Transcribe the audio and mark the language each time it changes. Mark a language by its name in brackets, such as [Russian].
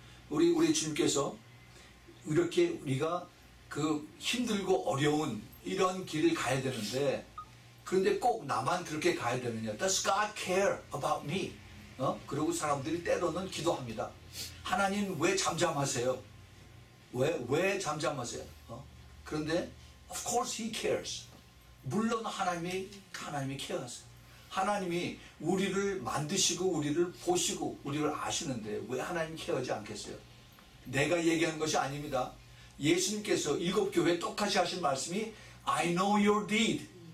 [Korean] 우리 주님께서 이렇게 우리가 그 힘들고 어려운 이런 길을 가야 되는데 그런데 꼭 나만 그렇게 가야 되느냐? [English] Does God care about me? [Korean] 그리고 사람들이 때로는 기도합니다. 하나님 왜 잠잠하세요? 왜 잠잠하세요? 그런데 [English] of course he cares. [Korean] 물론 하나님이 care하세요. 하나님이 우리를 만드시고 우리를 보시고 우리를 아시는데 왜 하나님 care하지 않겠어요? 내가 얘기하는 것이 아닙니다. 예수님께서 일곱 교회 똑같이 하신 말씀이 [English] I know your deed.